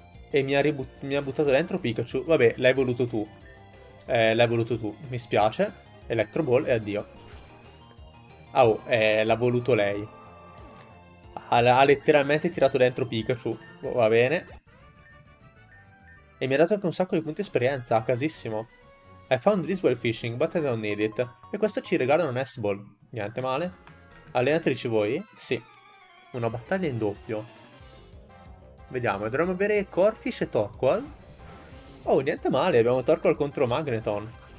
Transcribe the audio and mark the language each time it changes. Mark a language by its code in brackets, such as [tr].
[it] E mi ha buttato dentro Pikachu. Vabbè, l'hai voluto tu. L'hai voluto tu. Mi spiace. Electro Ball e addio. Oh, l'ha voluto lei. Ha letteralmente tirato dentro Pikachu. Va bene. E mi ha dato anche un sacco di punti esperienza. Casissimo. [en] I found this while fishing, but I don't need it. [it] E questo ci regala un Ice Ball. Niente male. Allenatrici voi? Sì. Una battaglia in doppio. Vediamo, dovremmo avere Corphish e Torkoal. Oh, niente male, abbiamo Torkoal contro Magneton.